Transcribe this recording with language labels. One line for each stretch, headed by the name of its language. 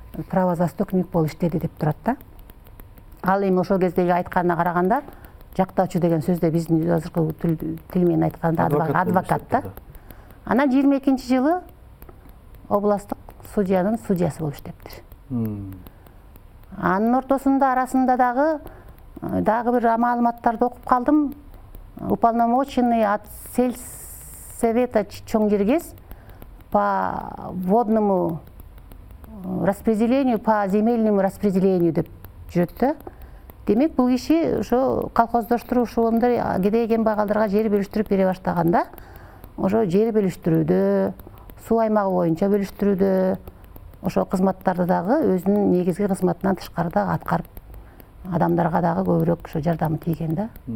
Kyrgyz: Права заступник болуп иштеди деп турат да. Ал эми ошол кездеги айтканына караганда жактаочу деген сөздө биздин азыркы тил менен айтканда адвокат да. Анан 22 жылы областтык судьянын судьясы болуп иштептир. Анын ортосунда арасында дагы бир маалыматтарды окуп калдым.
Russian: Уполномоченный от сельсовета
Kyrgyz: чоң жергез
Russian: по водному распределению, по земельному распределению
Kyrgyz: деп жүрөт да. Демек бул киши ошо колхоздоштуруу ушундай кедей кембагалдарга жер бөлүштүрүп бере баштаганда ошо жер бөлүштүрүүдө, суу аймагы боюнча бөлүштүрүүдө ошо кызматтарды дагы өзүнүн негизги кызматынан тышкары дагы аткарып адамдарга дагы көбүрөөк ошо жардамы тийген да.